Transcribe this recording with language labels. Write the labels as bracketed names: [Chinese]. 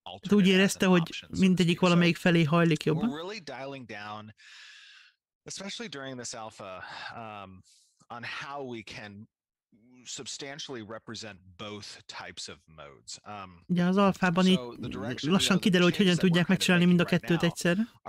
[Hungarian] Úgy érezte, hogy mindegyik valamelyik felé hajlik jobban. [English] Especially during this alpha, on how we can substantially represent both types of modes. [Hungarian] Ugye az alfában így lassan kiderül, hogy hogyan tudják megcsinálni mind a kettőt egyszerre.